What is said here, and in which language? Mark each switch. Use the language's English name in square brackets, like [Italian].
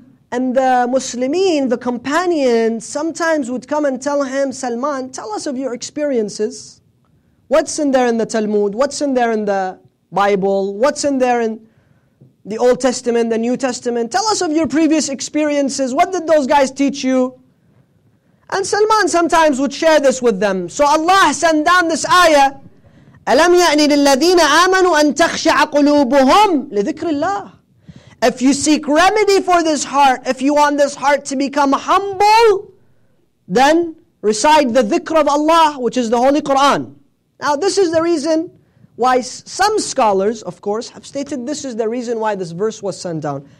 [English] And the Muslimin, the companion, sometimes would come and tell him, Salman, tell us of your experiences. What's in there in the Talmud? What's in there in the Bible? What's in there in the Old Testament, the New Testament? Tell us of your previous experiences. What did those guys teach you? And Salman sometimes would share this with them. So Allah sent down this ayah, [Arabic] أَلَمْ يَعْنِ لِلَّذِينَ آمَنُوا أَن تَخْشَعَ قُلُوبُهُمْ لِذِكْرِ اللَّهِ. [English] If you seek remedy for this heart, if you want this heart to become humble, then recite the dhikr of Allah, which is the Holy Quran. Now this is the reason why some scholars, of course, have stated this is the reason why this verse was sent down.